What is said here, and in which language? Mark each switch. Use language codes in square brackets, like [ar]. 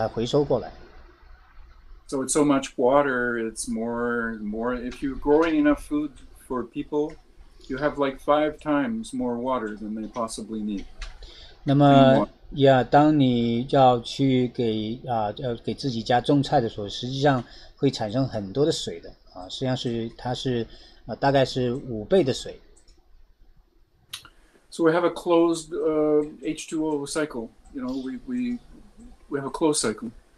[zh] 这样的话，我们借的这样过程，我们就不会失掉很多的水分啊。就是当植物释放出这些水分的时候，我们又借这个冷凝，又把它回收过来。So [en] it's so much water. It's more. If you're growing enough food for people, you have like five times more water than they possibly need. [zh] 那么，当你要给自己家种菜的时候，实际上会产生很多的水的，实际上是大概是五倍的水。So [en] we have a closed H2O cycle, you know, we have a closed cycle.